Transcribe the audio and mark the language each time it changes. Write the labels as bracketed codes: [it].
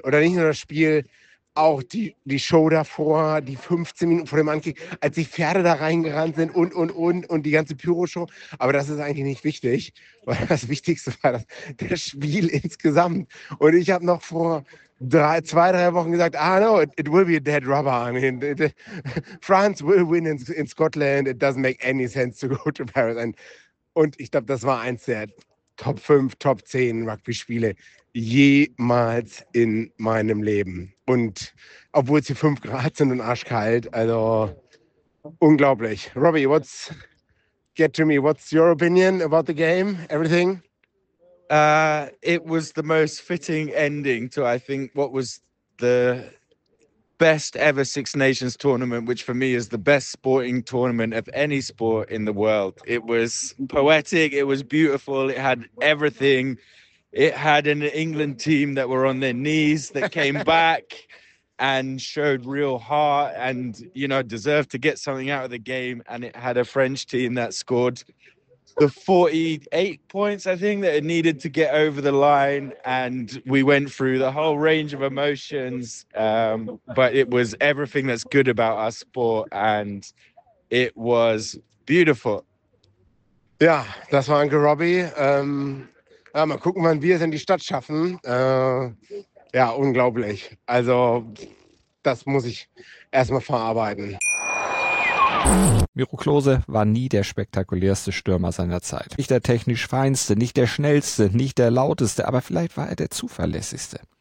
[de] Oder nicht nur das Spiel, auch die Show davor, die 15 Minuten vor dem Anstieg, als die Pferde da reingerannt sind und die ganze Pyro-Show. Aber das ist eigentlich nicht wichtig, weil das Wichtigste war das Spiel insgesamt. Und ich habe noch vor zwei, drei Wochen gesagt, [en] ah no, it will be a dead rubber. I mean, France will win in Scotland. It doesn't make any sense to go to Paris. [de] Und ich glaube, das war eins der Top 5, Top 10 Rugby-Spiele jemals in meinem Leben. Und obwohl es hier 5 Grad sind und arschkalt, also unglaublich. [en] Robbie, what's your opinion about the game, everything? It was the most fitting ending to, I think, what was the best ever Six Nations tournament, which for me is the best sporting tournament of any sport in the world. It was poetic, it was beautiful, it had everything. It had an England team that were on their knees that came back and showed real heart and, you know, deserved to get something out of the game. And it had a French team that scored the 48 points, I think, that it needed to get over the line. And we went through the whole range of emotions. But it was everything that's good about our sport. And it was beautiful. Yeah, that's my Uncle Robbie. [de] Ja, mal gucken, wann wir es in die Stadt schaffen. Ja, unglaublich. Also, das muss ich erstmal verarbeiten. Miro Klose war nie der spektakulärste Stürmer seiner Zeit. Nicht der technisch feinste, nicht der schnellste, nicht der lauteste, aber vielleicht war er der zuverlässigste.